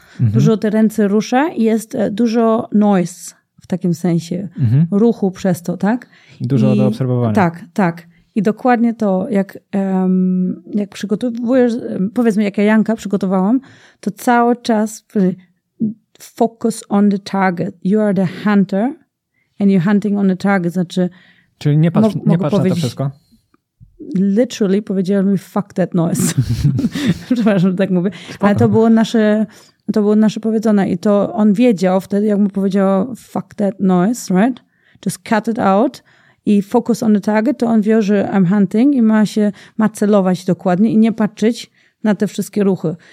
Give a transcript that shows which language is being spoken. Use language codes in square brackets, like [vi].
[pl] Dużo te ręce rusza i jest dużo noise. W takim sensie ruchu przez to, tak? Dużo do obserwowania. Tak, tak. I dokładnie to, jak przygotowujesz, powiedzmy, jak ja Janka przygotowałam, to cały czas [en] focus on the target. You are the hunter and you're hunting on the target. [pl] Znaczy, czyli nie patrz na to wszystko? Literally powiedziałem mi [en] fuck that noise. [pl] Przepraszam, że tak mówię. Spoko. Ale to było nasze... To było nasze powiedzone i to on wiedział wtedy, jak mu powiedziała [en] fuck that noise, right? Just cut it out [pl] i [en] focus on the target, [pl] to on wie, że [en] I'm hunting [pl] i ma celować dokładnie i nie patrzeć na te wszystkie ruchy.